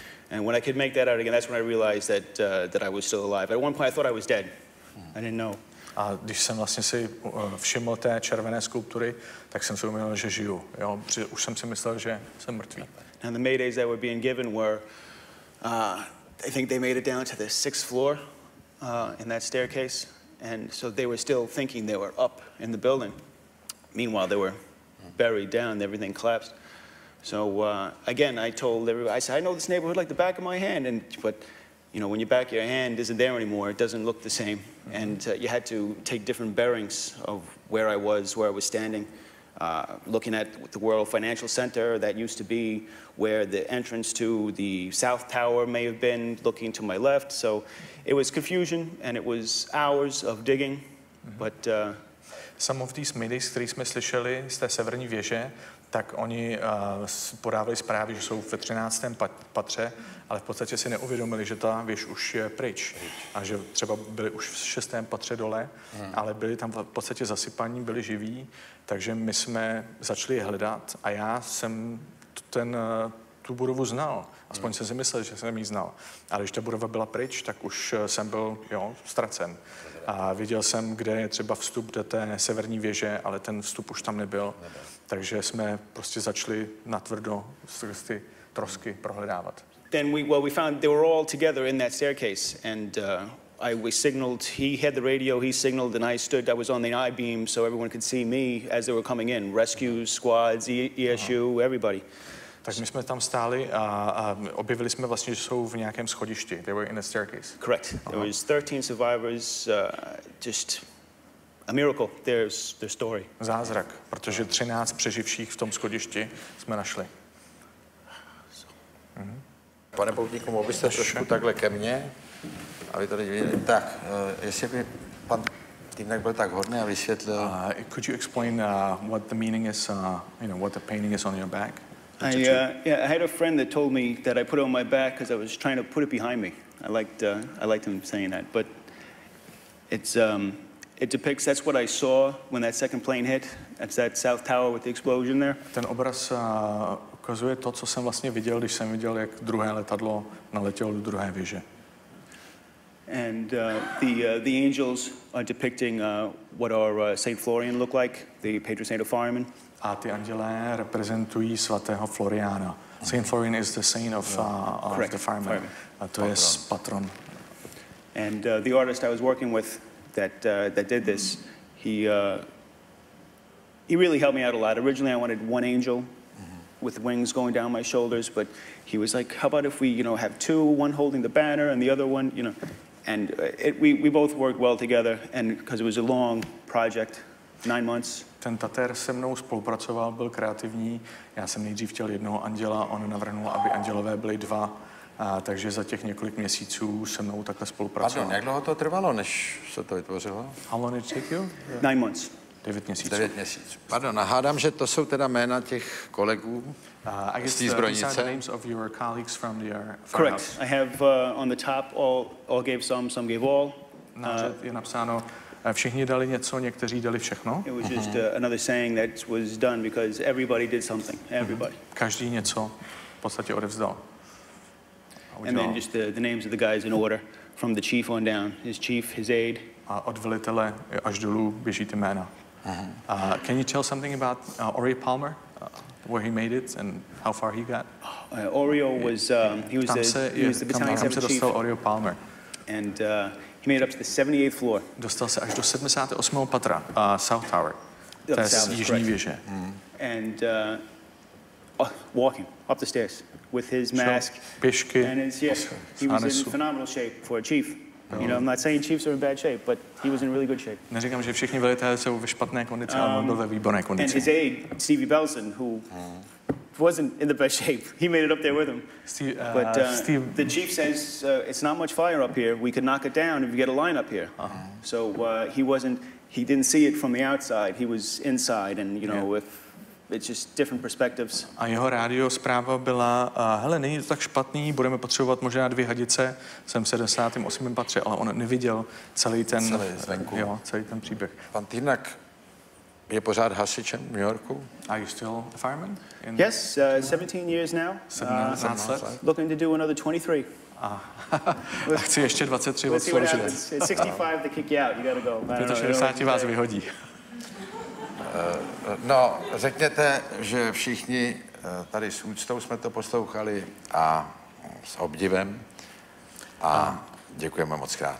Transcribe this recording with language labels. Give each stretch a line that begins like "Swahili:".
English: And when I could make that out again, that's when I realized that that I was still alive. At one point I thought I was dead. I didn't know.
Czech: A když jsem vlastně si všiml té červené skulptury, tak jsem si uměl, že žiju. Jo, už jsem si myslel, že jsem mrtvý.
English: And the maydays that were being given were, I think they made it down to the sixth floor in that staircase. And so they were still thinking they were up in the building. Meanwhile, they were buried down, everything collapsed. So again, I told everybody, I said, I know this neighborhood like the back of my hand. But you know, when your back of your hand isn't there anymore, it doesn't look the same. Mm-hmm. And you had to take different bearings of where I was standing, looking at the World Financial Center that used to be where the entrance to the South Tower may have been, looking to my left. So it was confusion and it was hours of digging, mm-hmm. but... Some of these
Czech: medis, které jsme slyšeli z té severní věže, tak oni podávali zprávy, že jsou ve 13. patře, ale v podstatě si neuvědomili, že ta věž už je pryč. A že třeba byli už v 6. patře dole, ale byli tam v podstatě zasypaní, byli živí, takže my jsme začali hledat a já jsem tu budovu znal. Aspoň jsem si myslel, že jsem ji znal. Ale když ta budova byla pryč, tak už jsem byl, jo, ztracen. A viděl jsem, kde je třeba vstup do té severní věže, ale ten vstup už tam nebyl. Takže jsme prostě začali natvrdo skrz ty trosky prohledávat.
English: Then we found they were all together in that staircase, and we signaled. He had the radio. He signaled, and I stood. I was on the I beam, so everyone could see me as they were coming in. Rescue squads, ESU, everybody.
Czech: Tak my jsme tam stáli a objevili jsme vlastně, že jsou v nějakém schodišti.
English: They were in a staircase. Correct. There was 13 survivors. Just a miracle. There's the story.
Czech: Zázrak, protože 13 přeživších v tom schodišti jsme našli. Pane Poutníku, mohl byste trošku takhle ke mně, aby tady viděli. Tak, jestli by pan Tiernach byl tak hodný a vysvětlil.
English: Could you explain what the meaning is, you know, what the painting is on your back? I had a friend that told me that I put it on my back because I was trying to put it behind me. I liked him saying that. But it depicts, that's what I saw when that second plane hit. That's that South Tower with the explosion there.
Czech: Ten obraz ukazuje to, co jsem vlastně viděl, když jsem viděl, jak druhé letadlo naletělo do druhé věže.
English: And the angels are depicting what our Saint Florian looked like, the patron saint of firemen.
Czech: A ty anděle reprezentují svatého Floriana.
English: Saint Florian is the saint of, of the firemen.
Czech: Fireman. A to je patron.
English: And the artist I was working with that did this, he really helped me out a lot. Originally I wanted one angel, with wings going down my shoulders, but he was like, how about if we, you know, have two, one holding the banner and the other one, you know, and we both worked well together, and because it was a long project, 9 months.
Czech: Ten tatér se mnou spolupracoval, byl kreativní. Já jsem nejdřív chtěl jednoho anděla, on navrhnul, aby andělové byly dva. A, takže za těch několik měsíců se mnou takhle spolupracoval. Pardon, jak dlouho to trvalo, než se to vytvořilo?
English: How long it took you? Yeah. 9 months.
Czech: 9 měsíců. 9 měsíců. Pardon, nahádám, že to jsou teda jména těch kolegů z té zbrojnice.
English: These are the names of your colleagues from the firehouse. Correct. I have on the top, all gave some gave all.
Czech: Je napsáno, všichni dali něco, někteří dali všechno.
English: It was just another saying that was done because everybody did something. Everybody. Mm-hmm.
Czech: Každý něco v podstatě odevzdal.
English: And then just the names of the guys in order, from the chief on down, his chief, his aide.
Czech: A od velitele až dolů běží ty jména.
English: Can you tell something about Oreo Palmer, where he made it and how far he got? Oreo was, he was the battalion 7th chief.
Czech: Tam se dostal Oreo Palmer.
English: And he made it up to the 78th floor.
Czech: Dostal se až do 78. patra, South Tower. To je jižní věže.
English: And walking up the stairs. With his mask,
Czech: pěšky,
English: and his, he was in phenomenal shape for a chief. No. You know, I'm not saying chiefs are in bad shape, but he was in really good shape.
Czech: Neříkám, že všichni velitelé jsou ve špatné kondici, ale on byl ve výborné kondici.
English: And his aide, Stevie Belson, who wasn't in the best shape, he made it up there with him. Steve. The chief says, it's not much fire up here, we could knock it down if you get a line up here. So he didn't see it from the outside, he was inside, and you know, with it's just different perspectives.
Czech: A jeho rádio zpráva byla, hele, není to tak špatný, budeme potřebovat možná dvě hadice, jsem v 78. patře, ale on neviděl celý ten příběh. Pan Tiernach je pořád hasičem v New Yorku?
English: Are you still a fireman? Yes, 17 years now.
Czech: 17 let.
English: Looking to do another 23.
Czech: A chci ještě 23 let sloužit.
English: It's 65 to kick you out, you gotta go.
Czech: 65 vás vyhodí. No, řekněte, že všichni tady s úctou jsme to poslouchali a s obdivem a děkujeme moc krát.